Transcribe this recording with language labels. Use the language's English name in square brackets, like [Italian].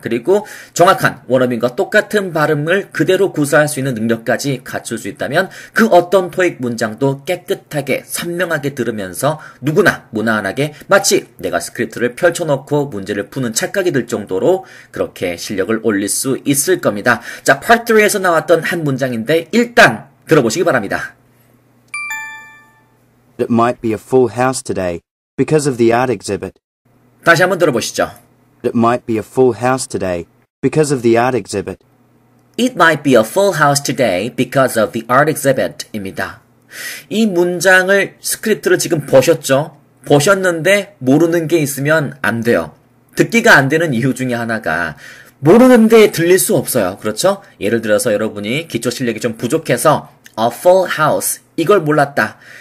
[Korean] 그리고 정확한 원어민과 똑같은 발음을 그대로 구사할 수 있는 능력까지 갖출 수 있다면 그 어떤 토익 문장도 깨끗하게 선명하게 들으면서 누구나 무난하게 마치 내가 스크립트를 펼쳐놓고 문제를 푸는 착각이 들 정도로 그렇게 실력을 올릴 수 있을 겁니다. 자, 파트 3에서 나왔던 한 문장인데 일단 들어보시기 바랍니다. [English] It might be a full house today because of the art exhibit. 다시 한번 들어보시죠. It might be a full house today because of the art exhibit. It might be a full house today because of the art exhibit입니다. [Korean] 이 문장을 스크립트를 지금 보셨죠? 보셨는데 모르는 게 있으면 안 돼요. 듣기가 안 되는 이유 중에 하나가 모르는데 들릴 수 없어요. 그렇죠? 예를 들어서 여러분이 기초 실력이 좀 부족해서 [English] a full house [Korean] 이걸 몰랐다.